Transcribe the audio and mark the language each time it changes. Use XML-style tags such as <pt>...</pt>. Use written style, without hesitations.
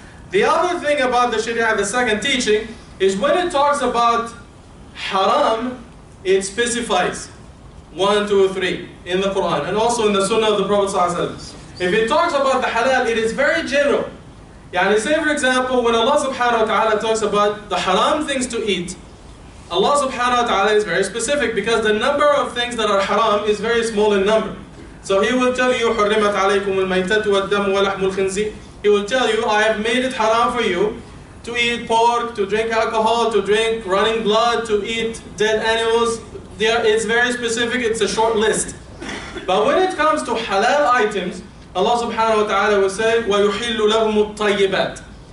<en>The other thing about the Sharia, the second teaching, is when it talks about haram, it specifies 1, 2, 3 in the Quran and also in the Sunnah of the Prophet Sallallahu Alaihi Wasallam. If it talks about the halal, it is very general. Yani say for example, when Allah subhanahu wa ta'ala talks about the haram things to eat, Allah subhanahu wa ta'ala is very specific, because the number of things that are haram is very small in number. So He will tell you,</en> <ar>حُرِّمَتْ عَلَيْكُمُ الْمَيْتَةُ وَالْدَّمُ وَلَحْمُ الْخِنْزِيرِ.</ar> <en>He will tell you, I have made it haram for you to eat pork, to drink alcohol, to drink running blood, to eat dead animals. It's very specific, it's a short list. But when it comes to halal items, Allah subhanahu wa ta'ala will say,</en> <ar>وَيُحِلُّ لَهُمُ الطَّيِّبَاتِ.</ar>